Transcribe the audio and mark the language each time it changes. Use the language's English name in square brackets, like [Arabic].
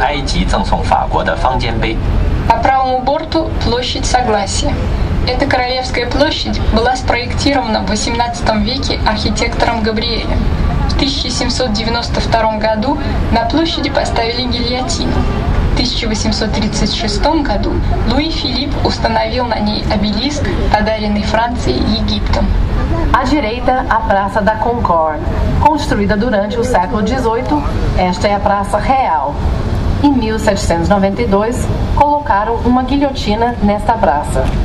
[Chinese] 1836年，路易菲利普国王在广场中央竖起了埃及赠送法国的方尖碑。 [Russian] По правому борту площадь Согласия. Эта королевская площадь была спроектирована в 18 веке архитектором Габриэлем. В 1792 году на площади поставили гильотину. В 1836 году Луи Филипп установил на ней обелиск, подаренный Францией Египтом. [Portuguese] À direita, a Praça da Concorde. Construída durante o século XVIII, esta é a Praça Real. Em 1792, colocaram uma guilhotina nesta praça.